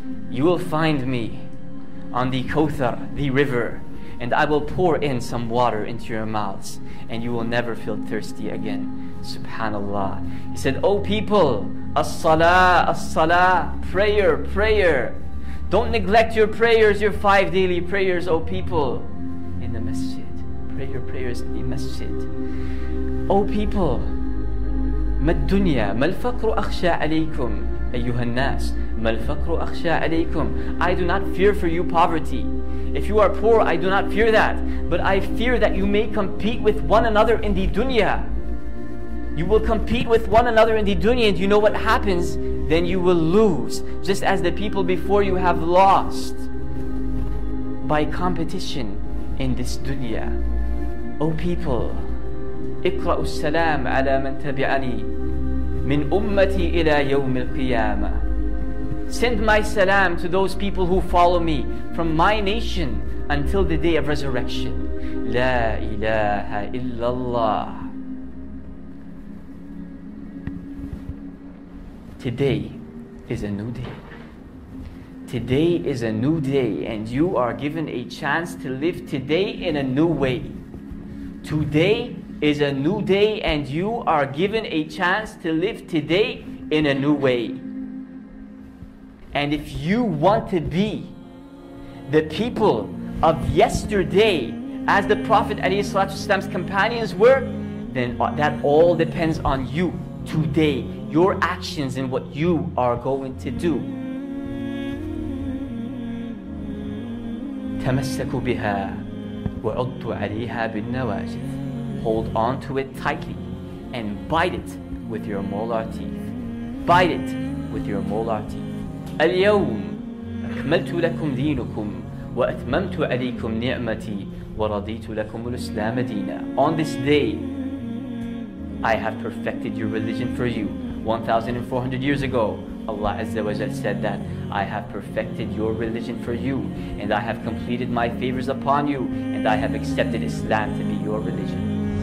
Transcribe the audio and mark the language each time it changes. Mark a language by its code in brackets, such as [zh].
[en] You will find me on the Kothar, the river, and I will pour in some water into your mouths, and you will never feel thirsty again." Subhanallah. He said, "Oh people, as-salah, as-salah, prayer, prayer. Don't neglect your prayers, your 5 daily prayers, oh people, in the masjid. Pray your prayers in the masjid. Oh people, [ar] ما الدنيا ما الفقر أخشى عليكم أيها الناس ما الفقر أخشى عليكم. [en] I do not fear for you poverty. If you are poor, I do not fear that. But I fear that you may compete with one another in the dunya. You will compete with one another in the dunya, and you know what happens? Then you will lose, just as the people before you have lost by competition in this dunya. Oh people, [ar] اقرأوا السلام على من تبعني من أمتي إلى يوم القيامة. [en] Send my salam to those people who follow me from my nation until the day of resurrection. [ar] لا إله إلا الله. [en] Today is a new day. Today is a new day, and you are given a chance to live today in a new way. Today is a new day, and you are given a chance to live today in a new way. And if you want to be the people of yesterday, as the Prophet ﷺ's companions were, then that all depends on you today, your actions and what you are going to do. [ar] تمسكوا بها وعضوا عليها بالنواجذ. [en] Hold on to it tightly and bite it with your molar teeth. Bite it with your molar teeth. [ar] اليوم أكملت لكم دينكم وأتممت عليكم نعمتي ورضيت لكم الإسلام دينا. [en] On this day, I have perfected your religion for you. 1,400 years ago, Allah Azza wa Jal said that, "I have perfected your religion for you, and I have completed my favors upon you, and I have accepted Islam to be your religion."